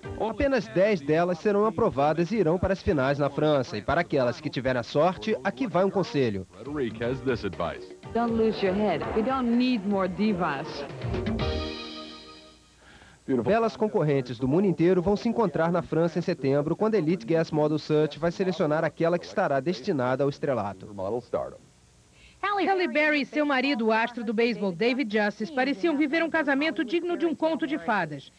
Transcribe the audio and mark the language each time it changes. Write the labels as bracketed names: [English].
[Portuguese] Apenas 10 delas serão aprovadas e irão para as finais na França. E para aquelas que tiverem a sorte, aqui vai um conselho. [English] Don't lose your head. We don't need more divas. [Portuguese] Belas concorrentes do mundo inteiro vão se encontrar na França em setembro, quando a Elite Gas Model Search vai selecionar aquela que estará destinada ao estrelato. Halle Berry e seu marido, o astro do beisebol David Justice, pareciam viver um casamento digno de um conto de fadas.